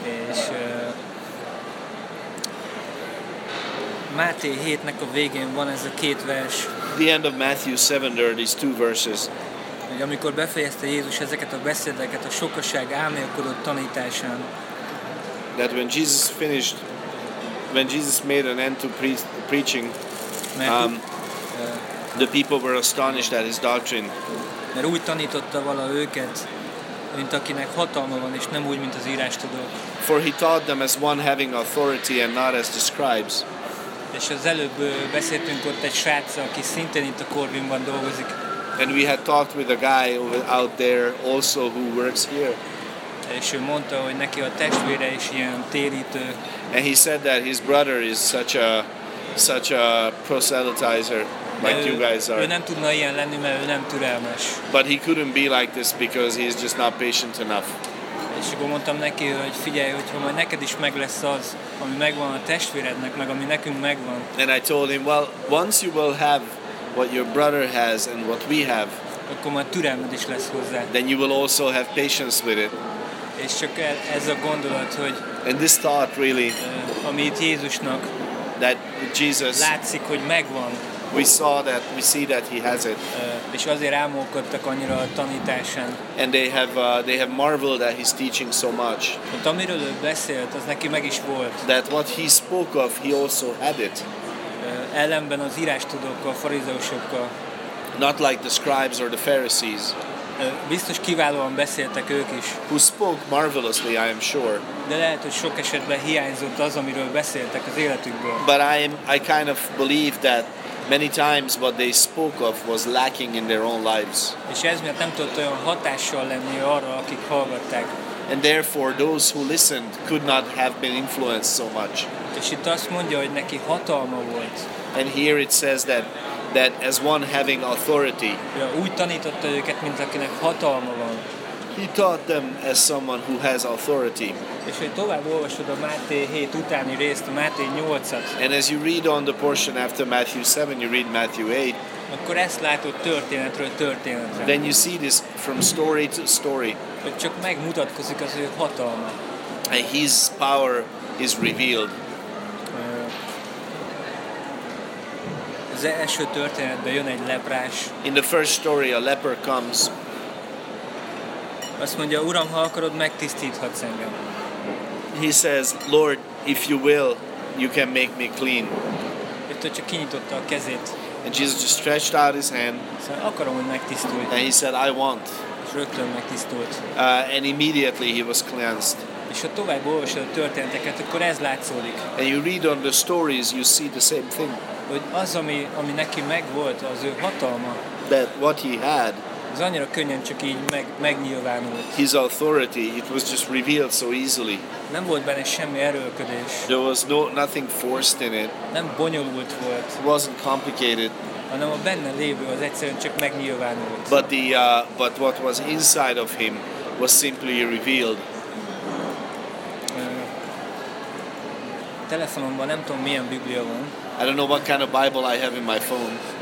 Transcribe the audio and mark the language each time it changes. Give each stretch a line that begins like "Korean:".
Hungarian: És Máté 7-nek a végén van ez a két vers.
English: The end of Matthew 7, there are these two verses.
Hungarian: Hogy amikor befejezte Jézus ezeket a beszédeket a sokaság álmélkodott tanításán.
English: That when Jesus finished, when Jesus made an end to preaching, the people were astonished at his doctrine.
Hungarian: Mert úgy tanította vala őket, mint akinek hatalma van, és nem úgy, mint az írástudók.
English: For he taught them as one having authority and not as the scribes.
Hungarian: És az előbb beszéltünk ott egy srácra, aki szintén itt a Corvinban dolgozik.
English: And we had talked with a guy over out there also who works here.
Hungarian: És ő mondta, hogy neki a testvére is ilyen térítő.
English: And he said that his brother is such a proselytizer, like you guys are.
Hungarian: Ő nem tudna ilyen lenni, mert ő nem türelmes.
English: But he couldn't be like this because he's just not patient enough.
Hungarian: És akkor mondtam neki, hogy figyelj, hogyha majd neked is meg lesz az, ami megvan a testvérednek, meg ami nekünk megvan.
English: And I told him, well, once you will have what your brother has and what we have,
Hungarian: akkor majd türelmed is lesz hozzá.
English: Then you will also have patience with it.
Hungarian: És csak ez a gondolat, hogy
English: and this thought really,
Hungarian: ami itt Jézusnak,
English: that Jesus,
Hungarian: látszik, hogy megvan.
English: We saw that, we see that he has it.
Hungarian: És azért ámulkodtak annyira a tanításán.
English: And they have marveled at his teaching so much.
Hungarian: Hát amiről ő beszélt, az neki meg is volt.
English: That what he spoke of, he also had it.
Hungarian: Ellenben az írástudókkal, farizeusokkal.
English: Not like the scribes or the Pharisees.
Hungarian: Biztos kiválóan beszéltek ők is.
English: Who spoke marvelously, I am sure.
Hungarian: De lehet, hogy sok esetben hiányzott az, amiről beszéltek az életükből.
English: But I kind of believe that many times what they spoke of was lacking in their own lives.
Hungarian: És ez miatt nem tudott olyan hatással lenni arra, akik hallgatták.
English: And therefore those who listened could not have been influenced so much.
Hungarian: És itt azt mondja, hogy neki hatalma volt.
English: And here it says that as one having authority.
Hungarian: Ja, úgy tanította őket, mint akinek hatalma van.
English: He taught them as someone who has authority.
Hungarian: És hogy tovább olvasod a Máté 7 utáni részt, a Máté 8-at.
English: And as you read on the portion after Matthew 7, you read Matthew 8.
Hungarian: Akkor ezt látod történetről történetre.
English: Then you see this from story to story.
Hungarian: Hogy csak megmutatkozik az ő hatalma.
English: And his power is revealed.
Hungarian: Az első történetben jön egy leprás.
English: In the first story, a leper comes.
Hungarian: Azt mondja, Uram, ha akarod, megtisztíthatsz engem.
English: He says, Lord, if you will, you can make me clean.
Hungarian: Ő csak kinyitotta a kezét.
English: And Jesus just stretched out his hand.
Hungarian: Szóval akarom, hogy megtisztulj.
English: And he said, I want.
Hungarian: És rögtön megtisztult.
English: And immediately he was cleansed.
Hungarian: És ha tovább olvasod a történeteket, akkor ez látszódik.
English: And you read on the stories, you see the same thing.
Hungarian: Hogy az, ami neki megvolt, az ő hatalma.
English: That what he had.
Hungarian: Ez annyira könnyen csak így megnyilvánult.
English: His authority, it was just revealed so easily.
Hungarian: Nem volt benne semmi erőlködés.
English: There was nothing forced in it.
Hungarian: Nem bonyolult volt.
English: It wasn't complicated.
Hungarian: Hanem a benne lévő az egyszerűen csak megnyilvánult.
English: But but what was inside of him was simply revealed.
Hungarian: Telefonomban nem tudom, milyen Biblia van.
English: I don't know what kind of Bible I have in my phone.